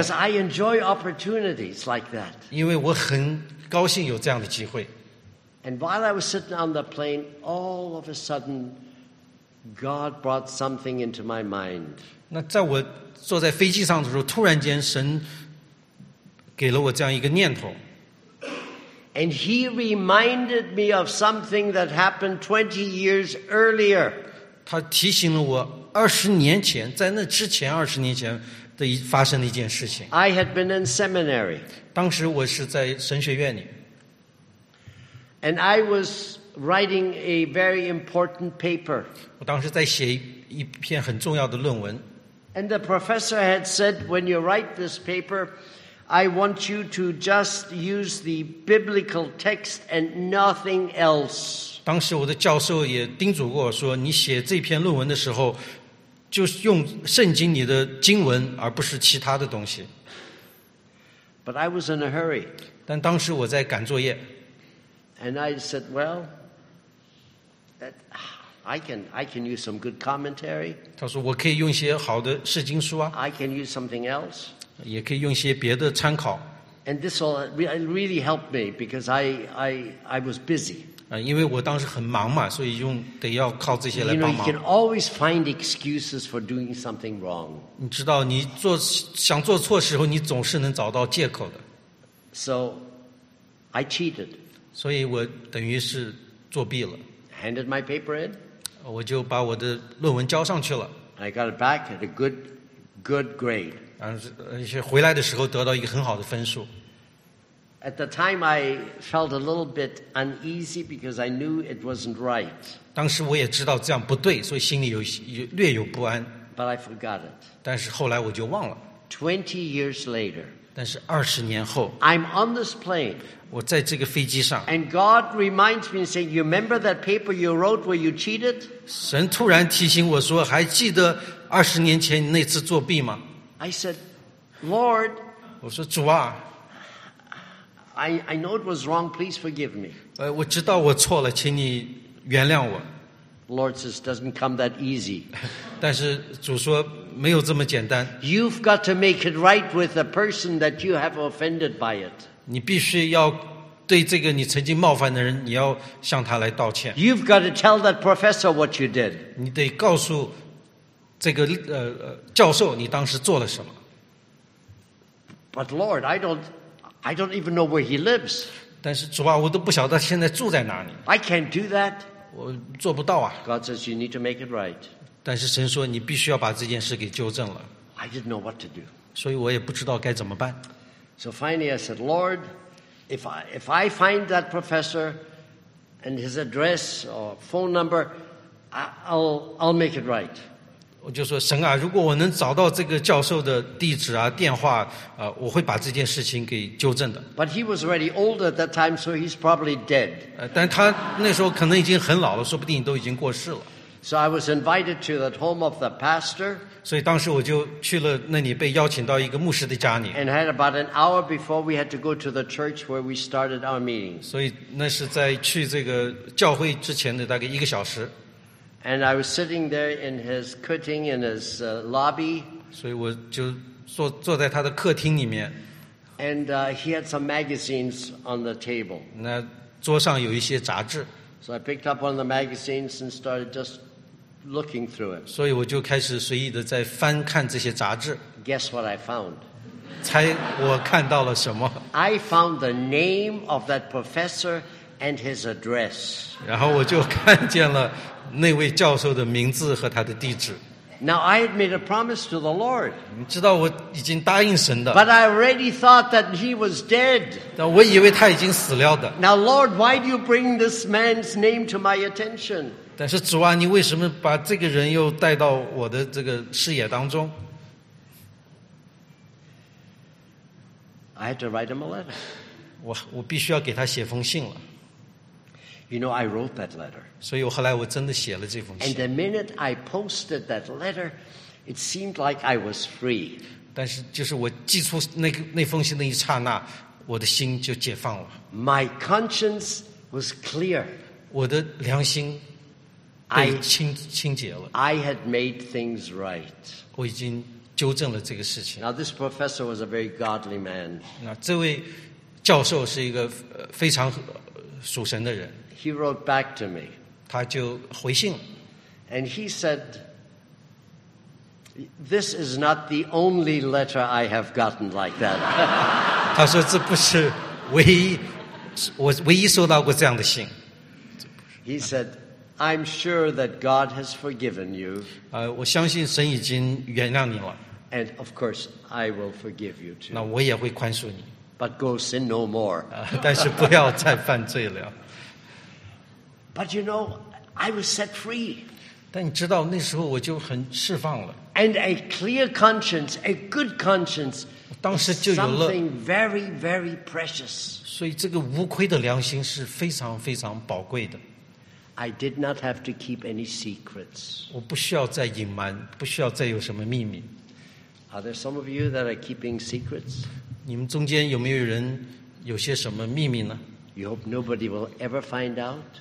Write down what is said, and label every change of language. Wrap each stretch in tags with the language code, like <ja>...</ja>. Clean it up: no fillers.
<en>Because I enjoy opportunities like that.</en> <zh>因为我很高兴有这样的机会。</zh> <en>And while I was sitting on the plane, all of a sudden, God brought something into my mind.</en> <zh>那在我坐在飞机上的时候，突然间神给了我这样一个念头。</zh> <en>And He reminded me of something that happened 20 years earlier.</en> <zh>他提醒了我二十年前，在那之前二十年前的发生的一件事情。</zh> <en>I had been in seminary.</en> <zh>当时我是在神学院里。</zh> <en>And I was writing a very important paper.</en> <zh>我当时在写一篇很重要的论文。</zh> <en>And the professor had said, when you write this paper, I want you to just use the biblical text and nothing else.</en> <zh>当时我的教授也叮嘱过我说，你写这篇论文的时候，就是用圣经里的经文，而不是其他的东西。</zh> <en>But I was in a hurry.</en> <zh>但当时我在赶作业。</zh> <en>And I said, well, that I can use some good commentary.</en> <zh>他说我可以用一些好的释经书啊。</zh> <en>I can use something else.</en> <zh>也可以用一些别的参考。</zh> <en>And this really helped me because I was busy.</en> <zh>因为我当时很忙嘛，所以用得要靠这些来帮忙。</zh> <en>You can always find excuses for doing something wrong.</en> <zh>你知道，你做想做错时候，你总是能找到借口的。</zh> <en>So, I cheated.</en> <zh>所以我等于是作弊了。</zh> <en>Handed my paper in.</en> <zh>我就把我的论文交上去了。</zh> <en>I got it back at a good grade.</en> <zh>回来的时候得到一个很好的分数。</zh> <en>At the time, I felt a little bit uneasy because I knew it wasn't right.</en> <zh>当时我也知道这样不对，所以心里略有不安。</zh> <en>But I forgot it.</en> <zh>但是后来我就忘了。</zh> <en>20 years later.</en> <zh>但是二十年后。</zh> <en>I'm on this plane.</en> <zh>我在这个飞机上。</zh> <en>And God reminds me and says, "You remember that paper you wrote where you cheated?"</en> <zh>神突然提醒我说，还记得二十年前那次作弊吗</zh> <en>？I said, "Lord."</en> <zh>我说主啊。</zh> <en>I know it was wrong. Please forgive me.</en> <zh>我知道我错了，请你原谅我。</zh> <en>Lord says doesn't come that easy.</en> <zh>但是主说没有这么简单。</zh> <en>You've got to make it right with the person that you have offended by it.</en> <zh>你必须要对这个你曾经冒犯的人，你要向他来道歉。</zh> <en>You've got to tell that professor what you did.</en> <zh>你得告诉这个教授你当时做了什么。</zh> <en>But Lord, I don't even know where he lives.</en> <zh>但是主啊，我都不晓得现在住在哪里。</zh> <en>I can't do that.</en> <zh>我做不到啊。</zh> <en>God says you need to make it right.</en> <zh>但是神说你必须要把这件事给纠正了。</zh> <en>I didn't know what to do.</en> <zh>所以我也不知道该怎么办。</zh> <en>So finally, I said, Lord, if I find that professor and his address or phone number, I'll make it right.</en> <zh>我就说神啊，如果我能找到这个教授的地址啊、电话啊，我会把这件事情给纠正的。</zh> <en>But he was already old at that time, so he's probably dead.</en> <zh>但他那时候可能已经很老了，说不定都已经过世了。</zh> <en>So I was invited to the home of the pastor.</en> <zh>所以当时我就去了那里，被邀请到一个牧师的家里。</zh> <en>And had about an hour before we had to go to the church where we started our meeting.</en> <zh>所以那是在去这个教会之前的大概一个小时。</zh> <en>And I was sitting there in his cutting in his lobby.</en> <zh>所以我就坐在他的客厅里面。</zh> <en>And he had some magazines on the table.</en> <zh>那桌上有一些杂志。</zh> <en>So I picked up one of the magazines and started just looking through it.</en> <zh>所以我就开始随意的在翻看这些杂志。</zh> <en>Guess what I found?</en> <zh>猜我看到了什么？</zh> <en>I found the name of that professor and his address.</en> <zh>然后我就看见了那位教授的名字和他的地址。</zh> <en>Now I had made a promise to the Lord.</en> <zh>你知道我已经答应神的。</zh> <en>But I already thought that he was dead.</en> <zh>但我以为他已经死了的。</zh> <en>Now Lord, why do you bring this man's name to my attention?</en> <zh>但是主啊，你为什么把这个人又带到我的这个视野当中？</zh> <en>I had to write him a letter.</en> <zh>我必须要给他写封信了。</zh> <en>You know, I wrote that letter.</en> <zh>所以后来我真的写了这封信。</zh> <en>And the minute I posted that letter, it seemed like I was free.</en> <zh>但是就是我寄出那封信的一刹那，我的心就解放了。</zh> <en>My conscience was clear.</en> <zh>我的良心被清洁了。</zh> <en>I had made things right.</en> <zh>我已经纠正了这个事情。</zh> <en>Now this professor was a very godly man.</en> <zh>那这位教授是一个非常属神的人。</zh> <en>He wrote back to me.</en> <zh>他就回信了。</zh> <en>And he said, this is not the only letter I have gotten like that.</en> <zh>他说这不是唯一，我唯一收到过这样的信。</zh> <en>He said,I'm sure that God has forgiven you.</en> <zh>我相信神已经原谅你了。</zh> <en>And of course, I will forgive you too.</en> <zh>那我也会宽恕你。</zh> <en>But go sin no more.</en> <zh>但是不要再犯罪了。</zh> <en>But you know, I was set free.</en> <zh>但你知道那时候我就很释放了。</zh> <en>And a clear conscience, a good conscience,</en> <zh>当时就有了</zh> <en>something very, very precious.</en> <zh>所以这个无愧的良心是非常非常宝贵的。</zh> <en>I did not have to keep any secrets.</en> <zh>我不需要再隐瞒，不需要再有什么秘密。</zh> <en>Are there some of you that are keeping secrets?</en> <zh>你们中间有没有人有些什么秘密呢？</zh> <en>You hope nobody will ever find out.</en>